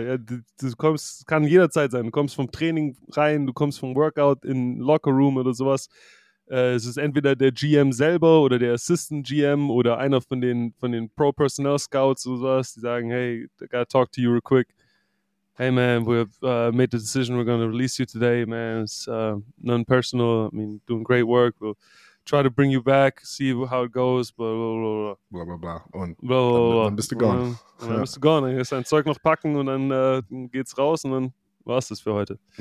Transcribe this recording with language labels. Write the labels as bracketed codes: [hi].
[de] Ja, du kommst, kann jederzeit sein. Du kommst vom Training rein, du kommst vom Workout in Lockerroom oder sowas. Es ist entweder der GM selber oder der Assistant GM oder einer von den Pro Personnel Scouts oder sowas, die sagen, [en] hey, I gotta talk to you real quick. Hey man, we made the decision, we're going to release you today, man. It's non-personal, I mean, doing great work. We'll try to bring you back, see how it goes, blah, blah, blah, blah. Blah, blah, blah. Und blah, blah, blah, blah. [de] Dann bist du gone. Dann bist du gone. Dann kannst du dein Zeug noch packen und dann geht's raus und dann war's das für heute.